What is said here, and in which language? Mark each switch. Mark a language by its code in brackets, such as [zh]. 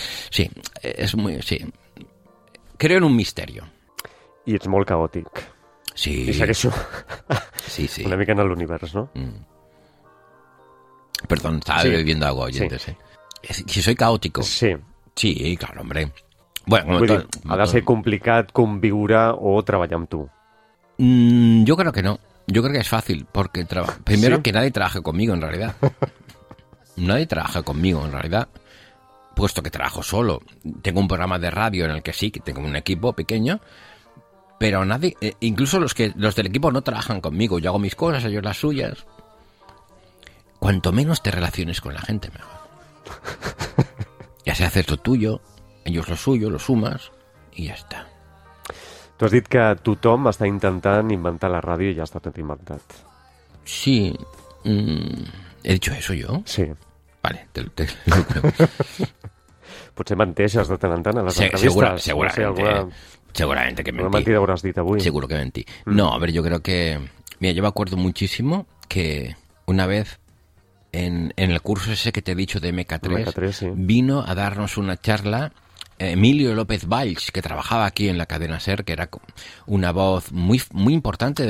[es] Sí, es muy... Sí. Creo en un misterio. [ca] I ets molt caòtic. Sí. I segueixo. Sí, sí. Una mica en l'univers, no? [es] Perdón, estaba bebiendo agua, oyente. Sí. Si soy caótico. Sí. Sí, claro, hombre. Bueno, [ca] ha de ser complicat conviure o treballar amb tu. [es] Yo creo que no. Yo creo que es fácil, porque primero que nadie trabaje conmigo, en realidad. Nadie trabaja conmigo, en realidad. Puesto que trabajo solo, tengo un programa de radio en el que sí, que tengo un equipo pequeño, pero nadie, incluso los del equipo no trabajan conmigo, yo hago mis cosas, ellos las suyas. Cuanto menos te relaciones con la gente, mejor. Ya sea haces lo tuyo, ellos lo suyo, lo sumas, [ca] i ja està. Tu has dit que tothom està intentant inventar la ràdio i ja està tot inventat. [es] Sí. He dicho eso yo? Sí. Vale, te [ca] potser menteixes de tant en tant a les entrevistes. Segurament que menti. Una mentida hauràs dit avui. [es] Seguro que menti. No, a ver, yo creo que... Mira, yo me acuerdo muchísimo que una vez en el curso ese que te he dicho de MK3, sí, vino a darnos una charla Emilio López Valls, que trabajaba aquí en la cadena SER, que era una voz muy, muy importante.